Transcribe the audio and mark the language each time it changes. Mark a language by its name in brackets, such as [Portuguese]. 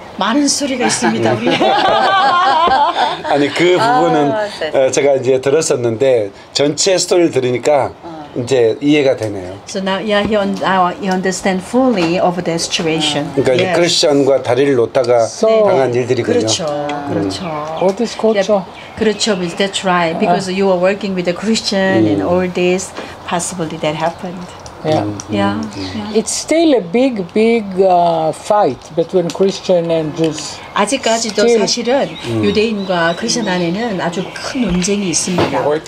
[Korean] 많은 스토리가 있습니다. 아니 그 부분은 제가 이제 들었었는데 전체 스토리를 들으니까 이제 이해가 되네요. [English] So now, yeah, he understand fully of the situation. [Korean] 그러니까 yes. 크리스천과 다리를 놓다가 당한 일들이군요. 그렇죠. [English] What is culture? Yeah, [Korean] 그렇죠. [English] That's right. Because you were working with a Christian and all this possibly that happened. It's still a big, big fight between Christian and Jews. [Korean] 아직까지도 still. 사실은 유대인과 크리스천 안에는 아주 큰 논쟁이 있습니다.